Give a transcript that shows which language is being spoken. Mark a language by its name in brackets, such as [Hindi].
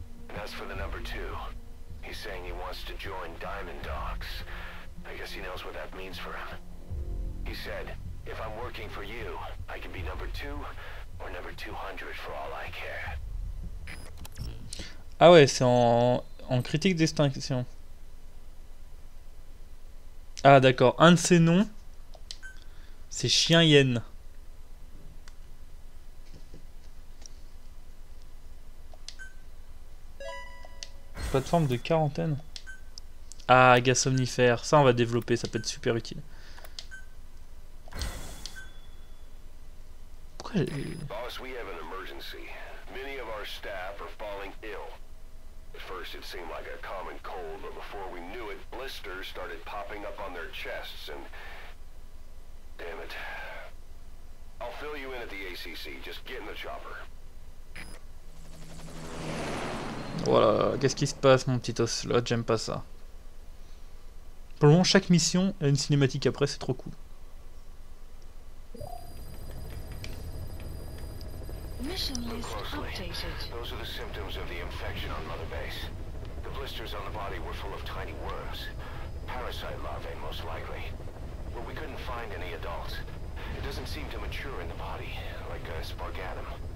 [English] And as for the number two, he's saying he wants to join Diamond Dogs. I guess he knows what that means for him. He said, if I'm working for you, I can be number two or number 200 for all I care. [French] Ah ouais, c'est en critique d'extinction. Ah d'accord, un de ses noms, c'est Chien Yen. Plateforme de quarantaine. Ah, gaz somnifère, ça on va développer, ça peut être super utile. [English] Boss, we have an emergency. Many of our staff are falling ill. At first it seemed like a common cold, but before we knew it, blisters started popping up on their chests and... Damn it. I'll fill you in at the ACC. Just get in the chopper. [French] Voilà, qu'est-ce qui se passe, mon petit Ocelot? J'aime pas ça. Pour le moment, chaque mission a une cinématique après, c'est trop cool. [English] Those are the symptoms of the infection on Mother Base. The blisters on the body were full of tiny worms. Parasite larvae, most likely. But we couldn't find any adults. It doesn't seem to mature in the body, like a sparganum.